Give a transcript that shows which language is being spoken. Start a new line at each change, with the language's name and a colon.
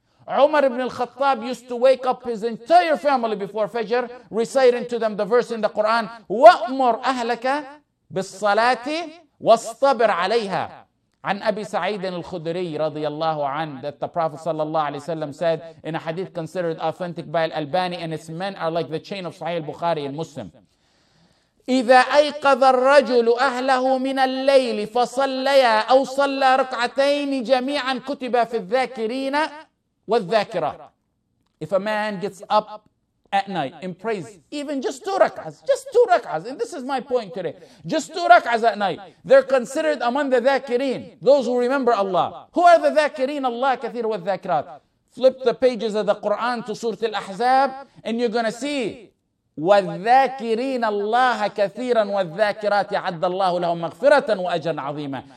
English: Umar ibn al-Khattab used to wake up his entire family before Fajr, reciting to them the verse in the Quran,
Arabic: وَأْمُرْ أَهْلَكَ بِالصَّلَاةِ وَاسْطَبِرْ عَلَيْهَا. عن أبي سعيد الخدري رضي الله عنه,
English: that the Prophet صلى الله عليه وسلم said in a hadith considered authentic by Al-Albani, and its men are like the chain of Sahih al-Bukhari and Muslim.
Arabic: إذا أيقظ الرجل أهله من الليل فصليا أو صلى ركعتين جميعا كتب في الذاكرين والذاكرة.
English: If a man gets up at night and prays, even just two rak'ahs, and this is my point today, just two rak'ahs at night, they're considered among the dhakirin, those who remember Allah. Who are the dhakirin? Allah kathir wa dhakirat. Flip the pages of the Quran to Surah Al-Ahzab, and you're going to see, wa dhakirin Allah kathiran wa dhakirat ya'adda Allahu lahum maghfiratan wa ajran azeema.